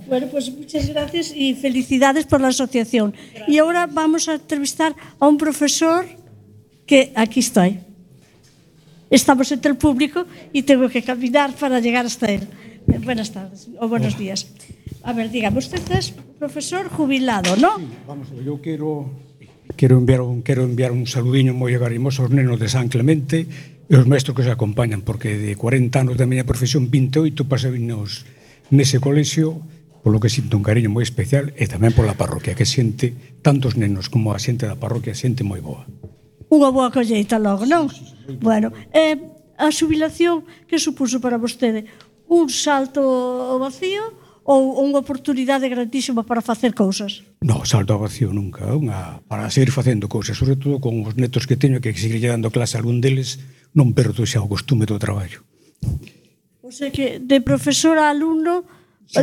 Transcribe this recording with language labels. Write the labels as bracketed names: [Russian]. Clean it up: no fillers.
[Spanish] Bueno, pues muchas gracias y felicidades por la asociación. Gracias. Y ahora vamos a entrevistar a un profesor... que aquí estoy. Estamos entre el público y tengo que caminar para llegar hasta él. Buenas tardes o buenos Hola. Días. A ver, dígame, usted es profesor jubilado, ¿no? [Galician] Sí, vamos, yo quiero enviar un saludiño moi agarimoso aos nenos de San Clemente e aos mestros que os acompañan, porque de 40 anos da miña profesión, 28 pasei nese colexio, polo que sinto un cariño moi especial e tamén pola parroquia, que xente, tantos nenos como a xente da parroquia, xente moi boa. Unha boa colleita logo, non? Sí, bueno, a xubilación que supuso para vostede? Un salto ao vacío ou unha oportunidade grandísima para facer cousas? No, salto ao vacío nunca, unha, para seguir facendo cousas, sobre todo con os netos que teño, que seguirlle dando clase a algún deles, non perdo xa o costume do traballo. [Spanish] O sea que de profesor a alumno, sí.